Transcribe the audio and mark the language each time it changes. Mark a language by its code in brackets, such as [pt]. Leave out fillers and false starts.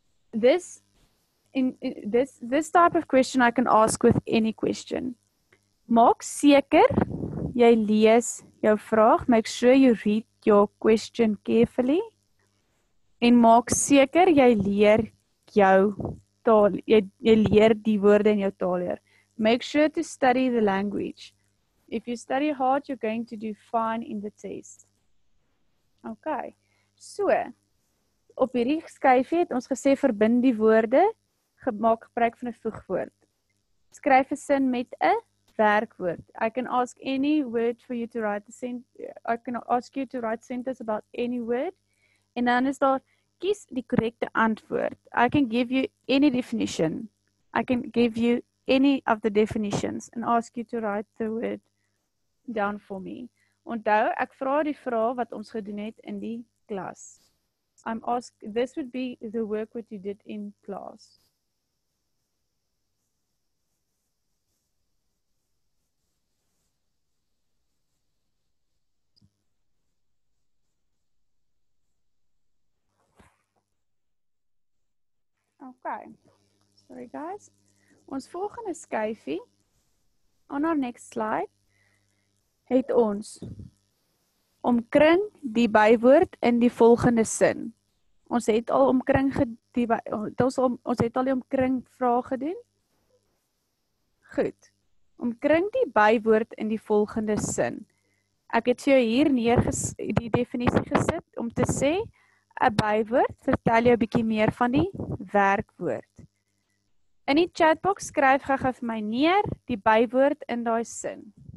[en] This type of question I can ask with any question. [af] Maak seker jy lees jou vraag, [en] make sure you read your question carefully [af] en maak seker jy leer jou taal, jy leer die woorde in jou taal leer. [en] Make sure to study the language. If you study hard, you're going to do fine in the test. Okay. [af] So, op hierdie skyfie het ons gesê verbind die woorde, maak gebruik van 'n voegwoord. Skryf 'n sin met 'n werkwoord. [en] I can ask any word for you to write a sentence. I can ask you to write sentence about any word. [af] En dan is daar, kies die korrekte antwoord. [en] I can give you any definition. I can give you any of the definitions and ask you to write the word down for me. [af] Onthou, ek vra die vraag wat ons gedoen het in die klas. [en] I'm asked, this would be the work what you did in class. Okay. Sorry guys. [af] Ons volgende skyfie, [en] on our next slide, [af] het ons omkring die bywoord in die volgende sin. Ons het al omkring vraag gedoen. Goed. Omkring die bywoord in die volgende sin. Ek het jou hier neer die definisie gesit om te sê, 'n bywoord vertel jou 'n bietjie meer van die werkwoord. In die chatbox skryf gaga vir my neer die bywoord in daai sin.